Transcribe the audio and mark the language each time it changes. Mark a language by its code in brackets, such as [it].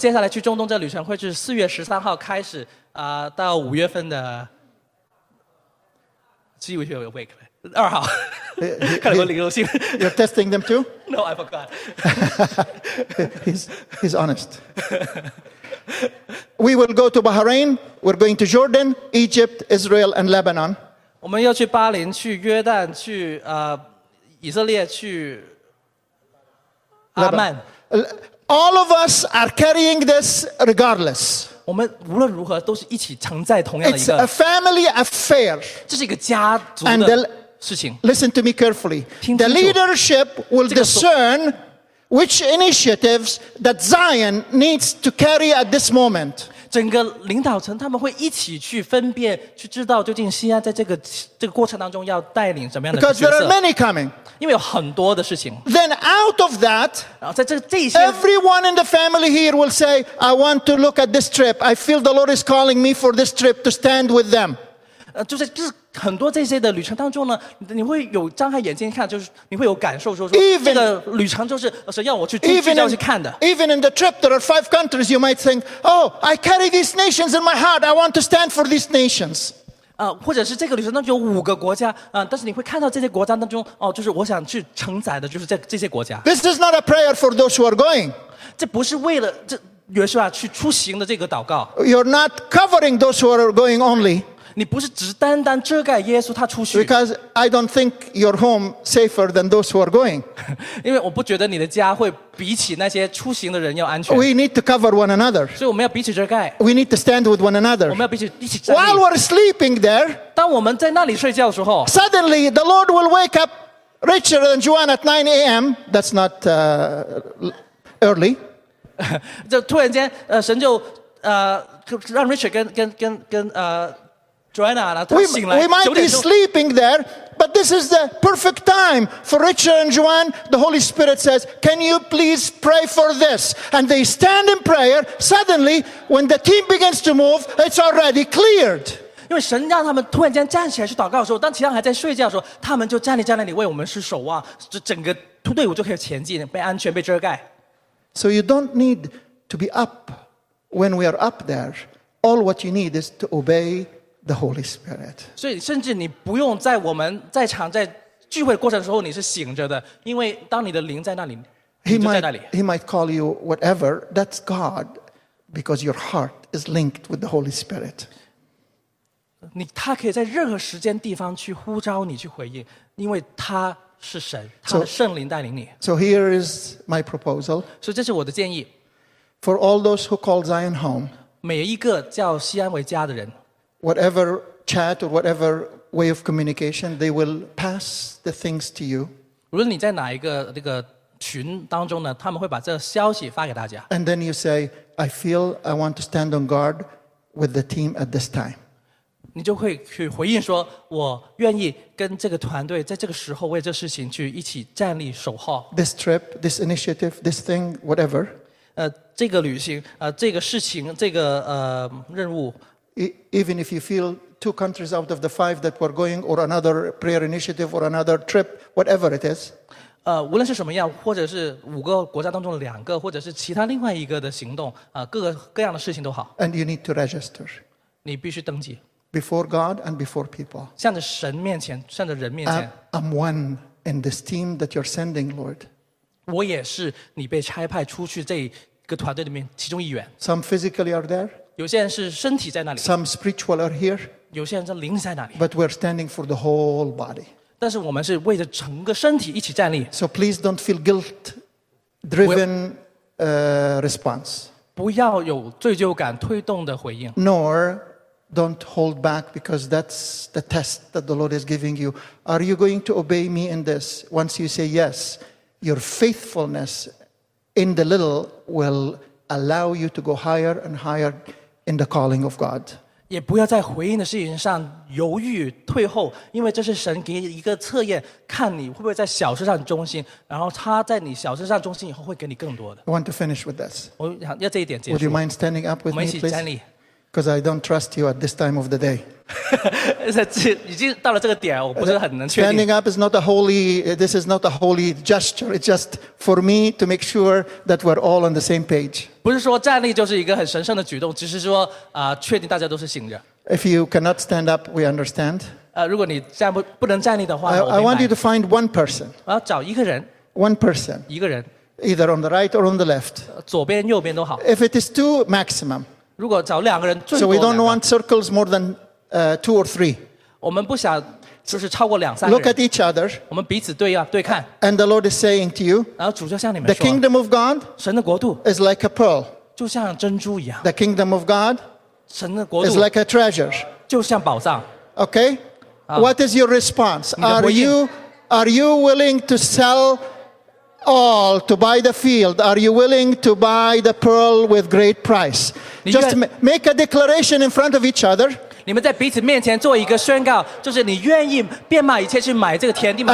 [zh] 我们接下来去中东这旅程会是4月13号开始, 到5月份的... [en] See if you're awake. [zh] 2号. [en] You're testing them too? No, I forgot. he's honest. We will go to Bahrain. We're going to Jordan, Egypt, Israel, and Lebanon. [zh] 我们要去巴林, 去约旦, 去, 以色列, 去, 阿曼. [en] All of us are carrying this regardless. [zh] 我们无论如何, [en] it's a family affair. And listen to me carefully. The leadership will discern which initiatives that Zion needs to carry at this moment. [zh] 整个领导层他们会一起去分辨，去知道究竟西安在这个过程当中要带领什么样的角色。 [en] Because there are many coming. [zh] 因为有很多的事情。 [en] Then out of that, [zh] 然后在这些 [en] everyone in the family here will say, I want to look at this trip. I feel the Lord is calling me for this trip to stand with them. [zh] 就是很多这些的旅程当中呢，你会有张开眼睛看，就是你会有感受说 [en] even, [zh] 这个旅程就是神要我去聚焦去看的。 [en] Even in the trip, there are five countries. You might think, "Oh, I carry these nations in my heart. I want to stand for these nations." [zh] 或者是这个旅程当中有五个国家啊，但是你会看到这些国家当中哦，就是我想去承载的就是这些国家。 [en] This is not a prayer for those who are going. [zh] 这不是为了这约书亚去出行的这个祷告。 [en] You're not covering those who are going only. [zh] 你不是只单单遮盖耶稣他出去。 [en] Because I don't think your home safer than those who are going. [zh] 因为我不觉得你的家会比起那些出行的人要安全。 [en] We need to cover one another. [zh] 所以我们要彼此遮盖。 [en] We need to stand with one another. [zh] 我们要彼此一起站立。 [en] While we're sleeping there, [zh] 当我们在那里睡觉的时候 [en] ，Suddenly the Lord will wake up Richard and Joanne at 9 a.m. That's not early. [zh] 就突然间，神就让 Richard 跟Joanna, 他醒来, [en] we might be sleeping there, but this is the perfect time for Richard and Joanne. The Holy Spirit says, can you please pray for this? And they stand in prayer. Suddenly, when the team begins to move, it's already cleared. Because [zh] 神让他们突然间站起来去祷告的时候，当其他人还在睡觉的时候，他们就站在那里为我们施守望，整个队伍就可以前进，被安全被遮盖。 [en] So you don't need to be up when we are up there. All what you need is to obey the Holy Spirit. [zh] 所以甚至你不用在我们在场在聚会过程的时候你是醒着的，因为当你的灵在那里，你就在那里。 [en] He might call you whatever, that's God, because your heart is linked with the Holy Spirit. [zh] 他可以在任何时间地方去呼召你去回应，因为他是神，他的圣灵带领你。 [en] So here is my proposal. [zh] 所以这是我的建议。 [en] For all those who call Zion home, [zh] 每一个叫西安为家的人， [en] whatever chat or whatever way of communication, they will pass the things to you. [zh] 无论你在哪一个这个群当中呢，他们会把这个消息发给大家。 [en] And then you say, I feel I want to stand on guard with the team at this time. [zh] 你就会去回应说，我愿意跟这个团队在这个时候为这事情去一起站立守候。 [en] This trip, this initiative, this thing, whatever. [zh] 这个旅行，这个事情，这个任务。 [en] Even if you feel two countries out of the five that were going, or another prayer initiative, or another trip, whatever it is, [zh] 无论是什么样，或者是五个国家当中两个，或者是其他另外一个的行动，各样的事情都好。 [en] And you need to register. [zh] 你必须登记。 [en] Before God and before people. [zh] 向着神面前，向着人面前。 [en] I'm one in this team that you're sending, Lord. [zh] 我也是你被差派出去这个团队里面其中一员。 [en] Some physically are there. [zh] 有些人是身体在那里， [en] Some spiritual are here, [zh] 有些人是灵在那里。 [en] But we're standing for the whole body. [zh] 但是我们是为着整个身体一起站立。 [en] So please don't feel guilt-driven response. [zh] 不要有罪疚感推动的回应。 [en] Nor don't hold back because that's the test that the Lord is giving you. Are you going to obey me in this? Once you say yes, your faithfulness in the little will allow you to go higher and higher. In the calling of God. [zh] 也不要在回应的事情上犹豫退后，因为这是神给你一个测验，看你会不会在小事上忠心，然后他在你小事上忠心以后会给你更多的。 [en] I want to finish with this. [zh] 我想要这一点结束。 [en] Would you mind standing up with me, please? [zh] 我们一起站立。 [en] Because I don't trust you at this time of the day. [zh] 已经到了这个点，我不是很能确定。 [en] Standing up is not a holy, this is not a holy gesture. It's just for me to make sure that we're all on the same page. [zh] 不是说站立就是一个很神圣的举动，只是说确定大家都是醒着。 [en] If you cannot stand up, we understand. [zh] 如果你不能站立的话，我明白。 [en] I want you to find one person. [zh] 我要找一个人。 [en] One person. [zh] 一个人。 [en] Either on the right or on the left. [zh] 左边右边都好。 [en] If it is two, maximum. [zh] 如果找两个人， [en] So we don't want circles more than two or three. [zh] 我们不想就是超过两三个人。 [en] Look at each other. [zh] 我们彼此对啊对看。 [en] And the Lord is saying to you. [zh] 然后主就向你们说。 [en] The kingdom of God. [zh] 神的国度。 [en] Is like a pearl. [zh] 就像珍珠一样。 [en] The kingdom of God. [zh] 神的国度。 [en] Is like a treasure. [zh] 就像宝藏。 [en] Okay. What is your response? Are you willing to sell all to buy the field, are you willing to buy the pearl with great price? Just make a declaration in front of each other. [zh] 你们在彼此面前做一个宣告, 就是你愿意变卖一切去买这个田地吗?